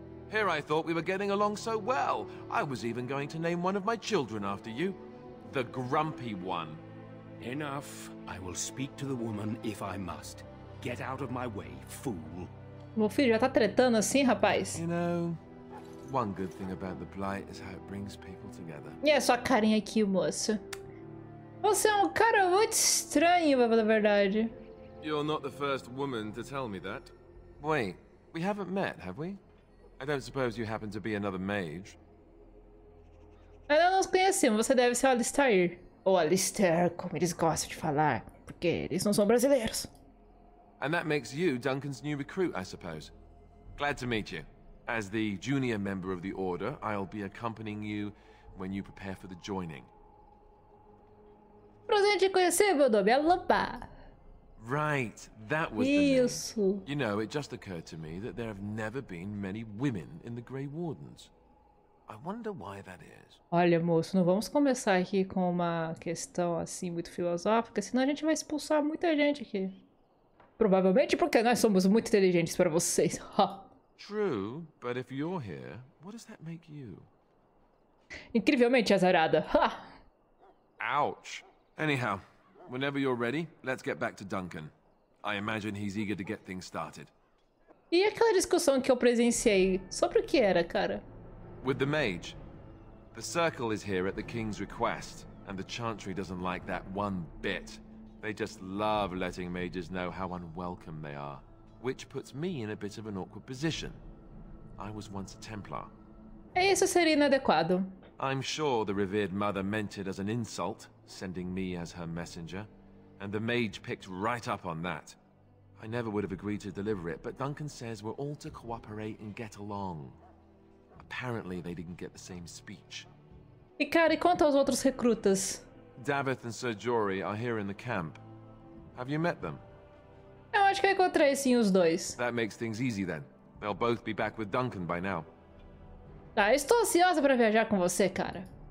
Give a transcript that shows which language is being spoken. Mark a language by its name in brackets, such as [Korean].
[English] Here I thought we were getting along so well. I was even going to name one of my children after you. The grumpy one. Enough. I will speak to the woman if I must. Get out of my way, fool. [Portuguese] Meu filho, já tá tretando assim, rapaz? [English] You know, one good thing about the Blight is how it brings people together. [Portuguese] E é só a carinha aqui, moço. Você é um cara muito estranho, pra falar a verdade. [English] You're not the first woman to tell me that. Wait, we haven't met, have we? I don't suppose you happen to be another mage. [Portuguese] Ainda não nos conhecemos, você deve ser Alistair. Ou Alistair, como eles gostam de falar, porque eles não são brasileiros. [English] And that makes you Duncan's new recruit, I suppose. Glad to meet you. As the junior member of the order, I'll be accompanying you when you prepare for the joining. [Portuguese] Prazer em te conhecer, meu nome é Alobá. [English] Right, that was [Portuguese] isso. [English] The name. You know, it just occurred to me that there have never been many women in the Grey Wardens. I wonder why that is. [Portuguese] Olha, moço, não vamos começar aqui com uma questão assim muito filosófica, senão a gente vai expulsar muita gente aqui. Provavelmente porque nós somos muito inteligentes para vocês. [English] True, but if you're here, what does that make you? [Portuguese] Incrivelmente azarada. [English] Ouch. Anyhow, whenever you're ready, let's get back to Duncan. I imagine he's eager to get things started. [Portuguese] E aquela discussão que eu presenciei, sobre o que era, cara? [English] With the mage. The circle is here at the king's request, and the chantry doesn't like that one bit. They just love letting mages know how unwelcome they are, which puts me in a bit of an awkward position. I was once a Templar. [Portuguese] Isso seria inadequado. [English] I'm sure the revered mother meant it as an insult, sending me as her messenger, and the mage picked right up on that. I never would have agreed to deliver it, but Duncan says we're all to cooperate and get along. Apparently, they didn't get the same speech. [Portuguese] E cara, e quanto aos outros recrutas? [English] Davith and Sir Jory are here in the camp. Have you met them? [Portuguese] Eu acho que eu encontrei sim os dois. [English] That makes things easy then. They'll both be back with Duncan by now. [Portuguese] Tá, estou ansiosa para viajar com você, cara.